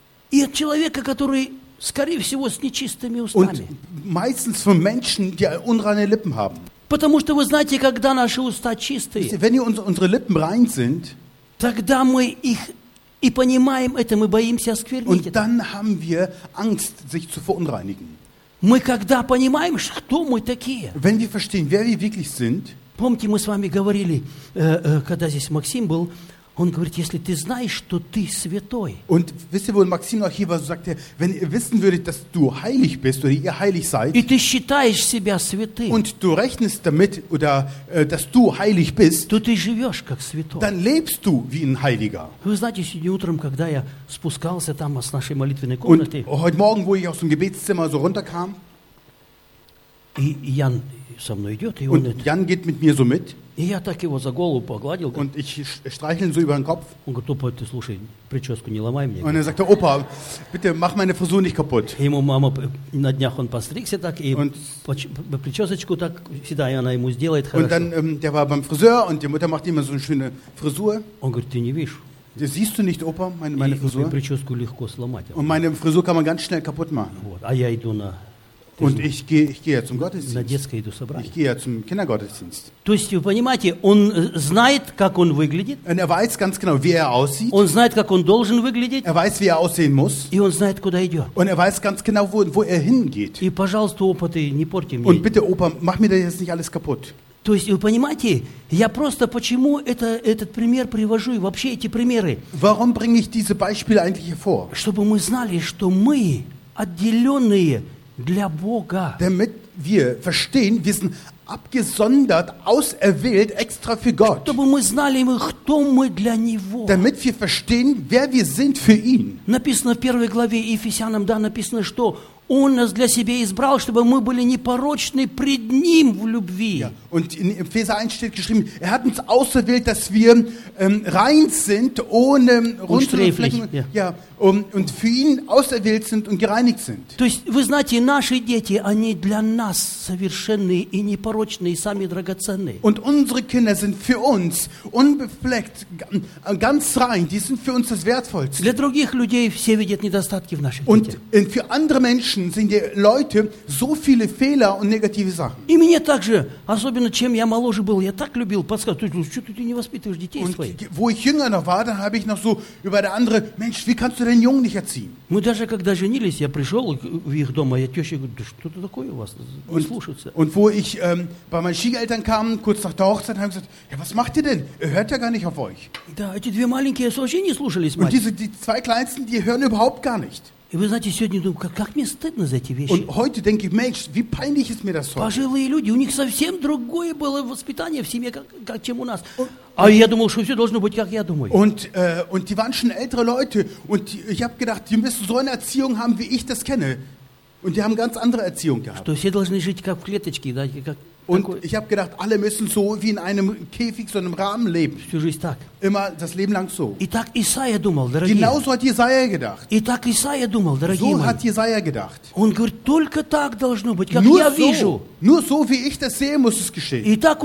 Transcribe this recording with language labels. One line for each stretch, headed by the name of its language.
Russian: И от человека, который, скорее всего, с нечистыми устами.
German: Und meistens von Menschen, die unreine Lippen haben.
Russian: Потому что вы знаете, когда наши уста чистые,
German: wenn ihr unsere Lippen rein sind,
Russian: тогда мы их и понимаем это, мы боимся осквернить.
German: Und dann haben wir Angst, sich zu verunreinigen.
Russian: Мы когда понимаем, кто мы такие.
German: Wenn wir verstehen, wer wir wirklich sind.
Russian: Помните, мы с вами говорили, когда здесь Максим был, он говорит, если ты знаешь, что ты святой.
German: Und wisst ihr, wo Максим noch hier war, so sagte, wenn ihr wissen würdet, dass du heilig bist oder ihr heilig seid.
Russian: И ты считаешь себя святым.
German: Und du rechnest damit oder dass du heilig bist.
Russian: То ты живешь как святой.
German: Dann lebst du wie ein Heiliger.
Russian: Вы знаете, сегодня утром, когда я спускался там с нашей молитвенной комнаты.
German: Und heute Morgen, wo ich aus dem Gebetszimmer so runterkam.
Russian: И Ян со мной идет, и
German: und Jan geht mit mir so mit.
Russian: И я так его за голову погладил.
German: Und ich streichle ihn so über den Kopf.
Russian: Он говорит, опа, ты слушай, прическу не ломай мне.
German: Und er sagte, опа, bitte mach meine Frisur nicht kaputt.
Russian: Ему мама на днях он постригся так и причесочку так всегда она ему сделает хорошо.
German: Und dann der war beim Friseur und die Mutter macht immer so eine schöne Frisur.
Russian: Он говорит, ты не видишь.
German: Siehst du nicht, Opa, meine Frisur?
Russian: Прическу легко сломать.
German: Und meine Frisur kann man ganz schnell kaputt machen.
Russian: Вот, а я иду на
German: Und ich gehe zum Gottesdienst.
Russian: На иду
German: ich gehe zum Kindergottesdienst.
Russian: То есть, вы понимаете, он знает, как он выглядит.
German: Und er weiß ganz genau, wie er aussieht.
Russian: Он знает, как он должен выглядеть.
German: Er weiß, wie er aussehen muss.
Russian: И он знает, куда идет.
German: Und er weiß ganz genau, wo er hingeht.
Russian: И, пожалуйста, Опа, ты не порти мне.
German: Und bitte, Opa, mach mir das jetzt nicht alles kaputt.
Russian: То есть, вы понимаете, я просто почему этот пример привожу и вообще эти примеры?
German: Warum bringe ich diese Beispiele eigentlich hervor?
Russian: Чтобы мы знали, что мы отделенные для Бога.
German: Damit wir verstehen, wir sind abgesondert, auserwählt, extra für Gott.
Russian: Чтобы мы знали, кто мы для Него.
German: Damit wir verstehen, wer wir sind für ihn.
Russian: Написано в первой главе Ефесянам, да, написано, что Он нас для себя избрал, чтобы мы были непорочны пред Ним в любви.
German: Ja, und in Epheser 1 steht geschrieben, er hat uns auserwählt, dass wir rein sind, ohne Runzeln und Flecken. Ja. Ja, und für ihn auserwählt sind und gereinigt sind.
Russian: То есть, вы знаете, наши дети, они для нас совершенные и непорочные, и сами драгоценные.
German: Und unsere Kinder sind für uns unbefleckt, ganz rein, die sind für uns das Wertvollste.
Russian: Для других людей все видят недостатки в наших детях.
German: Und für andere Menschen sind die Leute so viele Fehler und negative Sachen.
Russian: И мне также, особенно чем я моложе был, я так любил подсказывать, что ты не воспитываешь детей своих.
German: Und wo ich jünger noch war, dann habe ich noch so über der andere, Mensch, wie kannst du den Jungen nicht erziehen.
Russian: Мы даже когда женились, я пришел в их дом, а я теща говорю, да что-то такое у вас, не слушаться.
German: Und wo ich bei meinen Schwiegereltern kam, kurz nach der Hochzeit, haben gesagt, ja was macht ihr denn? Ihr hört ja gar nicht auf euch.
Russian: Да, эти две маленькие вообще не слушались, мать.
German: Und die zwei Kleinsten, die hören überhaupt gar nicht.
Russian: И вы знаете, сегодня думаю, как мне стыдно за эти вещи.
German: Und heute denke ich, Mensch, wie peinlich ist mir das heute.
Russian: Пожилые люди, у них совсем другое было воспитание в семье, как чем у нас. А я думал, что все должно быть, как я думаю.
German: Und die waren schon ältere Leute. Und ich habe gedacht, die müssen so eine Erziehung haben, wie ich das kenne. Und die haben ganz andere Erziehung gehabt.
Russian: Что все должны жить как в клеточке, да, как...
German: Und ich habe gedacht, alle müssen so wie in einem Käfig, so einem Rahmen leben. Immer das Leben lang so. Genauso hat Jesaja gedacht. So hat Jesaja gedacht. Nur so, wie ich das sehe, muss es geschehen.